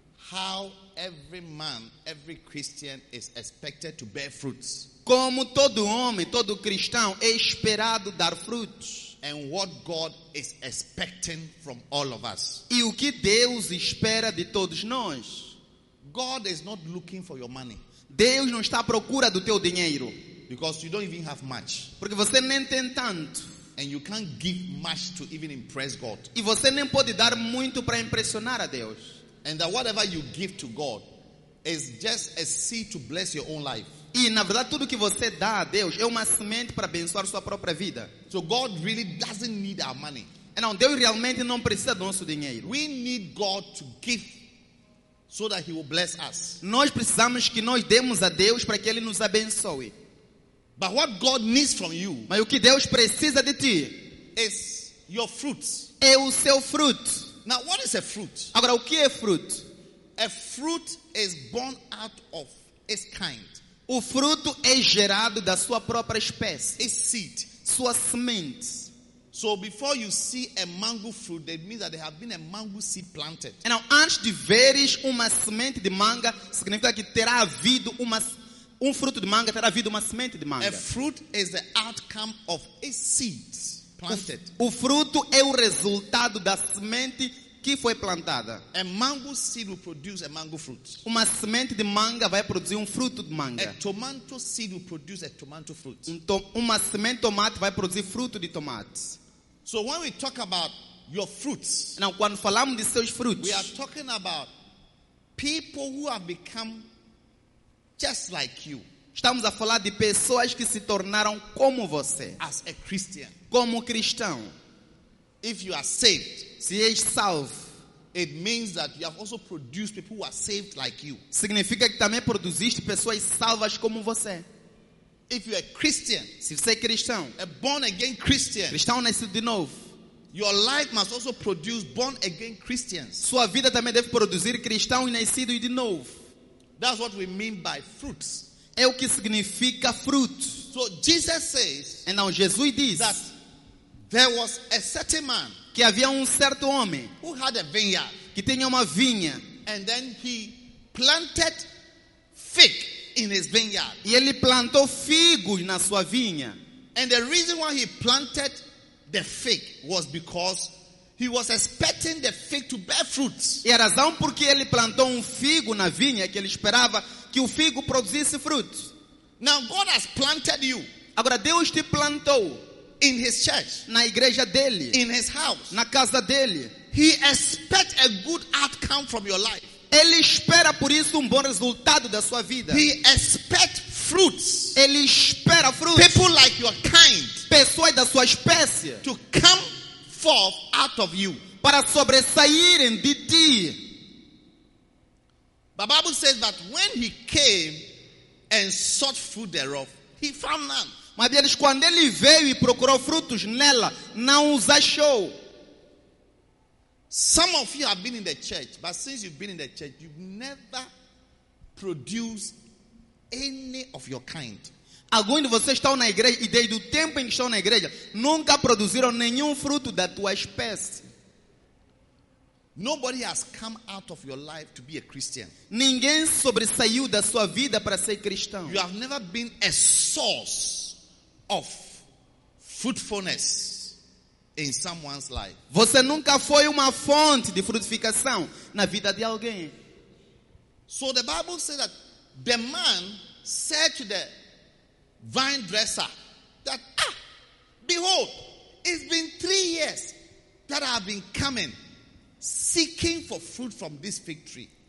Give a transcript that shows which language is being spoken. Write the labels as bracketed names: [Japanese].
[English] How every man, every Christian is expected to bear fruits. [Portuguese] Como todo homem, todo cristão é esperado dar frutos. [English] And what God is expecting from all of us. [Portuguese] E o que Deus espera de todos nós? [English] God is not looking for your money. [Portuguese] Deus não está à procura do teu dinheiro. [English] Because you don't even have much. [Portuguese] Porque você nem tem tanto. [English] And you can't give much to even impress God. [Portuguese] E você nem pode dar muito para impressionar a Deus. [English] And that whatever you give to God is just a seed to bless your own life. [Portuguese] E na verdade tudo que você dá a Deus é uma semente para abençoar sua própria vida. [English] So God really doesn't need our money. And now, [Portuguese] Deus realmente não precisa do nosso dinheiro. [English] We need God to give so that he will bless us. [Portuguese] Nós precisamos que nós demos a Deus para que ele nos abençoe. [English] But what God needs from you? [Portuguese] Mas o que Deus precisa de ti? [English] Is your fruits. [Portuguese] É o seu fruto. [English] Now what is a fruit? [Portuguese] Agora o que é fruto? [English] A fruit is born out of its kind. [Portuguese] O fruto é gerado da sua própria espécie. [English] Its seed. [Portuguese] Sua semente. [English] So before you see a mango fruit, that means that there have been a mango seed planted. [Portuguese] Então antes de veres uma semente de manga, significa que terá havido uma fruto de manga, terá havido uma semente de manga. [English] A fruit is the outcome of its seeds. [Portuguese] O fruto é o resultado da semente que foi plantada. [English] A mango seed will produce a mango fruit. [Portuguese] Uma semente de manga vai produzir fruto de manga. [English] A tomato seed will produce a tomato fruit. [Portuguese] Uma semente de tomate vai produzir fruto de tomate. [English] So when we talk about your fruits, now, [Portuguese] quando falamos de seus frutos, [English] we are talking about people who have become just like you. [Portuguese] Estamos a falar de pessoas que se tornaram como você. [English] As a Christian. [Portuguese] Como cristão. [English] If you are saved, [Portuguese] se és salvo, [English] it means that you have also produced people who are saved like you. [Portuguese] Significa que também produziste pessoas salvas como você. [English] If you are Christian, [Portuguese] se você é cristão, [English] a born again Christian, [Portuguese] cristão nascido de novo, [English] your life must also produce born again Christians. [Portuguese] Sua vida também deve produzir cristão nascido de novo. [English] That's what we mean by fruits. [Portuguese] É o que significa fruto. [English] So Jesus says, and now [Portuguese] Jesus diz, [English] that there was a certain man, [Portuguese] que havia certo homem, [English] who had a vineyard, [Portuguese] que tinha uma vinha, [English] and then he planted fig in his vineyard. [Portuguese] E ele plantou figos na sua vinha. [English] And the reason why he planted the fig was because he was expecting the fig to bear fruits. [Portuguese] E a razão porque ele plantou figo na vinha que ele esperava que o figo produzisse frutos. [English] Now God has planted you. [Portuguese] Agora Deus te plantou. [English] In his church. [Portuguese] Na igreja dele. [English] In his house. [Portuguese] Na casa dele. [English] He expects a good outcome from your life. [Portuguese] Ele espera por isso bom resultado da sua vida. [English] He expects fruits. [Portuguese] Ele espera frutos. [English] People like your kind. [Portuguese] Pessoas da sua espécie. [English] To come forth out of you. [Portuguese] Para sobressaírem de ti. [English] The Bible says that when he came and sought fruit thereof, he found none. [Portuguese] Mas diz, quando ele veio e procurou frutos nela, não os achou. [English] Some of you have been in the church, but since you've been in the church, you've never produced any of your kind. [Portuguese] Alguns de vocês estão na igreja e desde o tempo em que estão na igreja, nunca produziram nenhum fruto da tua espécie. [English] Nobody has come out of your life to be a Christian. [Portuguese] Ninguém sobressaiu da sua vida para ser cristão. [English] You have never been a source of fruitfulness in someone's life. [Portuguese] Você nunca foi uma fonte de frutificação na vida de alguém. [English] So the Bible says that the man said to the vine dresser that, ah, behold, it's been 3 years that I've been coming seeking for fruit from this fig tree.